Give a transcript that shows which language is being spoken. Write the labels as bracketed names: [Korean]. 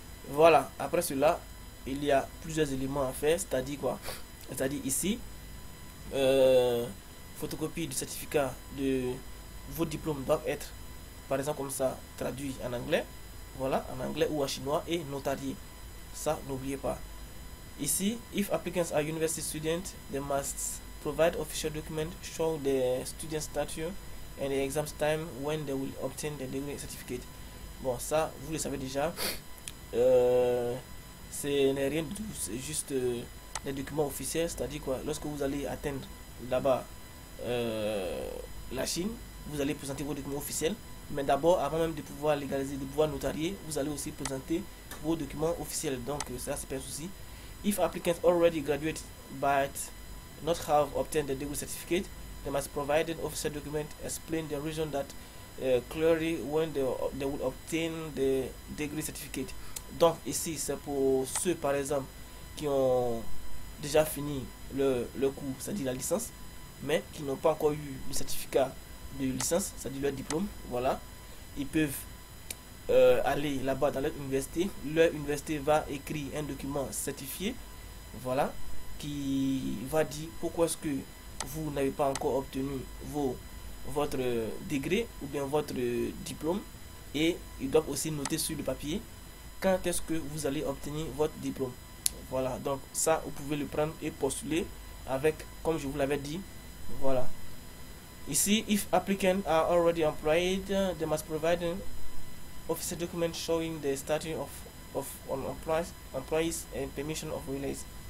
[French] Voilà, après cela, il y a plusieurs éléments à faire, c'est-à-dire quoi? C'est-à-dire ici, photocopie du certificat de vos diplômes doivent être, par exemple comme ça, traduit en anglais, voilà, en anglais ou en chinois, et notarié. Ça, n'oubliez pas. Ici, [English] if applicants are university students, they must provide official document showing their student statue and the exam time when they will obtain the degree certificate. [French] Bon, ça, vous le savez déjà. Ce n'est rien du tout, c'est juste les documents officiels, c'est-à-dire quoi, lorsque vous allez atteindre là-bas la Chine, vous allez présenter vos documents officiels. Mais d'abord, avant même de pouvoir légaliser, de pouvoir notarier, vous allez aussi présenter vos documents officiels. Donc ça, c'est pas un souci. [English] If applicants already graduated but not have obtained the degree certificate, they must provide an official document explain the reason that clearly when they will obtain the degree certificate. [French] Donc ici, c'est pour ceux par exemple qui ont déjà fini le cours, c'est-à-dire la licence, mais qui n'ont pas encore eu le certificat de licence, c'est-à-dire leur diplôme. Voilà, ils peuvent aller là-bas dans leur université va écrire un document certifié, voilà, qui va dire pourquoi est-ce que vous n'avez pas encore obtenu votre degré ou bien votre diplôme, et ils doivent aussi noter sur le papier quand est-ce que vous allez obtenir votre diplôme. Voilà, donc ça, vous pouvez le prendre et postuler avec, comme je vous l'avais dit, voilà. Ici, [English] if applicants are already employed, they must provide officer document showing the status of employees and permission of release.